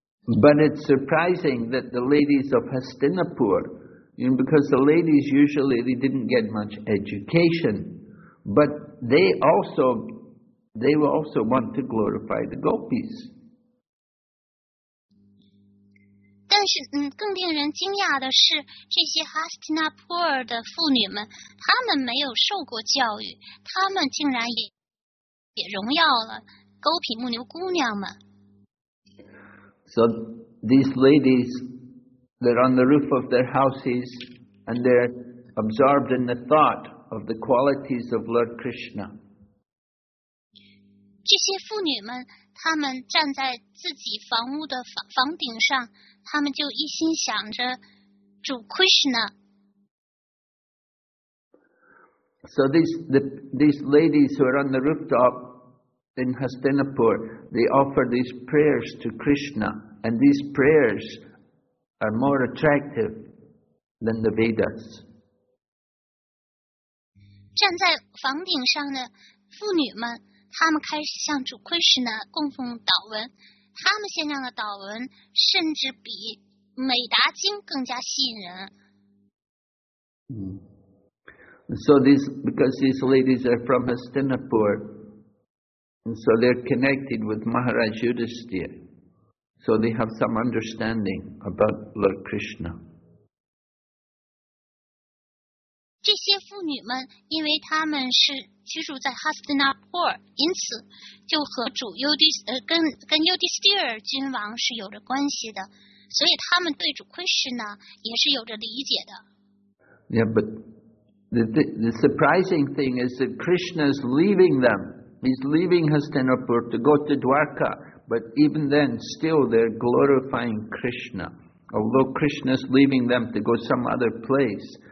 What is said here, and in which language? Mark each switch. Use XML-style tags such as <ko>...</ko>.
<en>But it's surprising that the ladies of Hastinapur, because the ladies usually they didn't get much education. But they will also want to glorify the gopis.</en> <zh>但是，更令人惊讶的是，这些哈斯提纳普尔的妇女们，她们没有受过教育，她们竟然也荣耀了勾皮牧牛姑娘们。</zh> <en>So these ladies, they're on the roof of their houses, and they're absorbed in the thought. Of the qualities of Lord Krishna.</en> <zh>这些妇女们，她们站在自己房屋的房顶上，她们就一心想着主 Krishna.</zh> <en>So these ladies who are on the rooftop in Hastinapur, they offer these prayers to Krishna, and these prayers are more attractive than the Vedas.</en> <zh>站在房顶上的妇女们，她们开始向主奎什纳供奉祷文，她们献上的祷文甚至比《美达经》更加吸引人。</zh> <en>So because these ladies are from Hastinapur, so they're connected with Maharaj Yudhisthira, so they have some understanding about Lord Krishna.</en> <zh>这些妇女们，因为她们是居住在哈斯纳普尔，因此就和主尤迪斯跟尤迪斯蒂尔君王是有着关系的，所以她们对主奎什纳也是有着理解的。</zh> <en>Yeah, but the surprising thing is that Krishna is leaving them. He's leaving Hastinapur to go to Dwarka, but even then, still they're glorifying Krishna. Although Krishna is leaving them to go some other place.</en>